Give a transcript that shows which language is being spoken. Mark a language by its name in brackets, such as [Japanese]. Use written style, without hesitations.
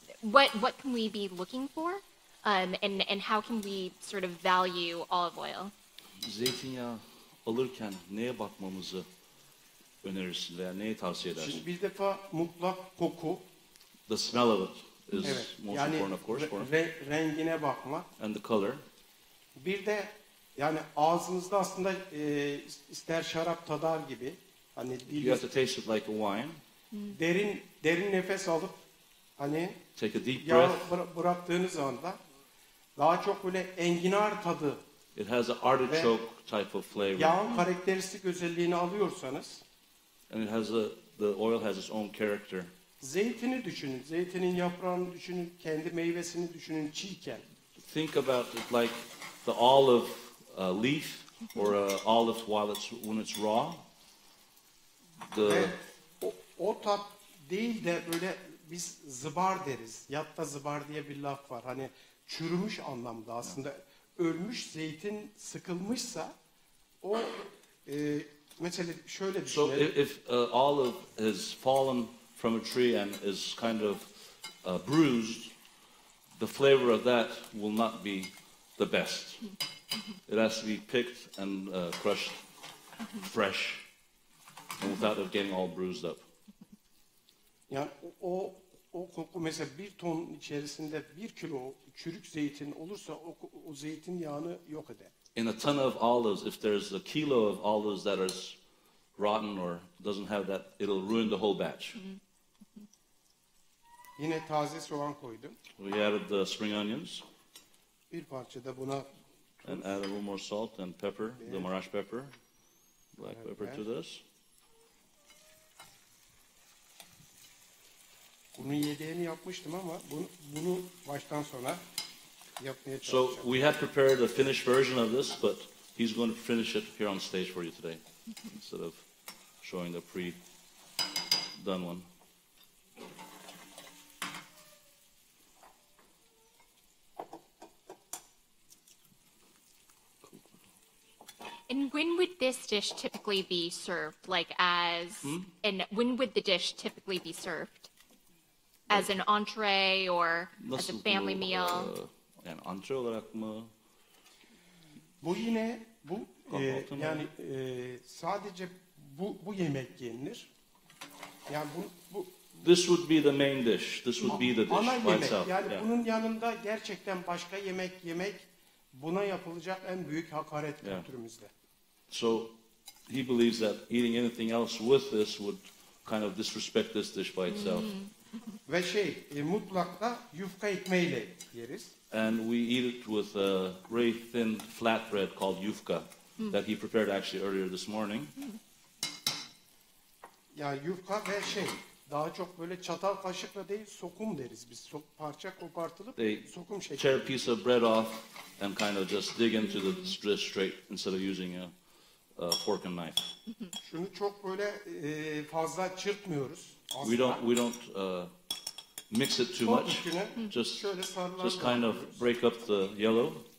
[English] What can we be looking for, and how can we sort of value olive oil? [Turkish] Zeytinyağı alırken neye bakmamızı önerirsin veya neye tavsiye edersin? Şimdi bir defa mutlak koku. [English] The smell of it is evet, most yani important, of course. For [Turkish] rengine bakmak. [English] And the color. [Turkish] Bir de yani ağzınızda aslında ister şarap tadar gibi. Hani [English] you have to taste it like a wine. [Turkish] Derin nefes alıp hani [English] take a deep breath. [Turkish] Bıraktığınız anda daha çok böyle enginar tadı. [English] It has an artichoke type of flavor. [Turkish] Yağ karakteristik özelliğini alıyorsanız. [English] And it has the oil has its own character. [Turkish] Zeytini düşünün, zeytinin yaprağını düşünün, kendi meyvesini düşünün çiğken. [English] Think about it like the olive leaf or an olive while it's when it's raw. [Turkish] The o tat değil de böyle biz zıbar deriz. Yatta zıbar diye bir laf var. Hani çürümüş anlamda aslında. Ölmüş zeytin sıkılmışsa o mesela şöyle bir [English] şey. So if olive has fallen from a tree and is kind of bruised, the flavor of that will not be the best. It has to be picked and crushed fresh and without it getting all bruised up. [Turkish] Yani o koku mesela bir ton içerisinde bir kilo çürük zeytin olursa o zeytin yağını yok eder. [English] In a ton of olives, if there's a kilo of olives that is rotten or doesn't have that, it'll ruin the whole batch. [Turkish] Yine taze soğan koydum. [English] We added the spring onions. [Turkish] Bir parça da buna. [English] And add a little more salt and pepper, evet. The Maraş pepper, black evet. Pepper to this. [Turkish] Bunu yediğini yapmıştım ama bunu baştan sona yapmaya çalışacağım. [English] So we have prepared a finished version of this, but he's going to finish it here on stage for you today, instead of showing the pre-done one. And when would this dish typically be served? Like as, and when would the dish typically be served? As an entree or as a family meal? [Turkish] Yani entree olarak mı? Bu yine, bu yani sadece bu yemek yenir. Yani bu. [English] This would be the main dish. This would be the dish by itself. [Turkish] Yani bunun yanında gerçekten başka yemek buna yapılacak en büyük hakaret kültürümüzde. [English] So he believes that eating anything else with this would kind of disrespect this dish by itself. [Turkish] Ve şey, mutlaka yufka ekmeğiyle yeriz. [English] And we eat it with a very thin flatbread called yufka that he prepared actually earlier this morning. [Turkish] Ya yufka ve şey, daha çok böyle çatal kaşıkla değil sokum deriz biz. Parça kopartılıp sokum şeklinde. [English] They tear a piece of bread off and kind of just dig into the dish straight instead of using a fork and knife. [Turkish] Şunu çok böyle fazla çırpmıyoruz. [English] We don't mix it too much. Just kind of break up the yellow.